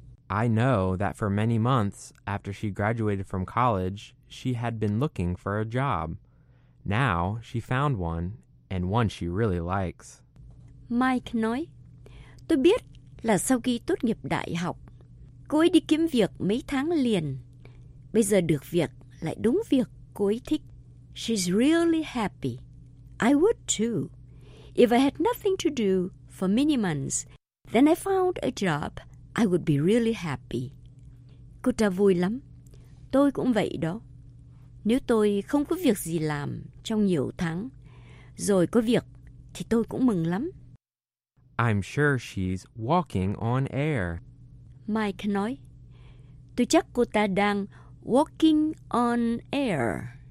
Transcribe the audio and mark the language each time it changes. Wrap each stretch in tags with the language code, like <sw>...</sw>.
<en>I know that for many months after she graduated from college, she had been looking for a job. Now she found one, and one she really likes.</en> <vi>Mike nói, tôi biết là sau khi tốt nghiệp đại học, cô ấy đi kiếm việc mấy tháng liền. Bây giờ được việc lại đúng việc cô ấy thích.</vi> <en>She's really happy. I would too. If I had nothing to do for many months, then I found a job, I would be really happy.</en> <vi>Cô ta vui lắm. Tôi cũng vậy đó. Nếu tôi không có việc gì làm trong nhiều tháng, rồi có việc, thì tôi cũng mừng lắm.</vi> <en>I'm sure she's walking on air.</en> <vi>Mike nói, tôi chắc cô ta đang</vi> <en>walking on air.</en>